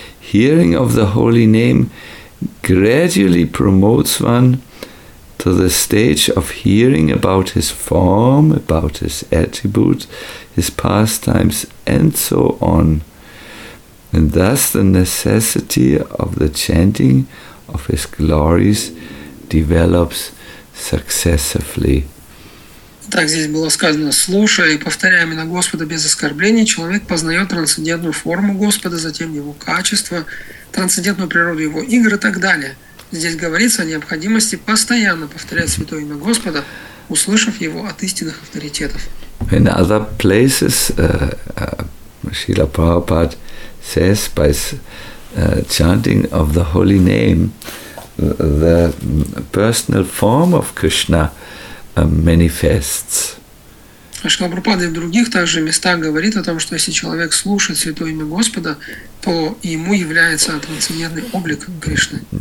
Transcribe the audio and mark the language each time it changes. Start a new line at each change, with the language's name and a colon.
English: Hearing of the holy name gradually promotes one to the stage of hearing about his form, about his attributes, his pastimes, and so on. And thus the necessity of the chanting of his glories develops successively.
Russian: Так здесь было сказано: слушая и повторяя имена Господа без оскорблений, человек познает трансцендентную форму Господа, затем его качество, трансцендентную природу его игр и так далее. Здесь говорится о необходимости постоянно повторять святое имя Господа, услышав его от истинных авторитетов.
English: In other places, Srila Prabhupada says, by chanting of the holy name, the personal form of Krishna manifests.
Russian: Шрила Прабхупада в других также местах говорит о том, что если человек слушает святое имя Господа, то ему является трансцендентный облик Кришны.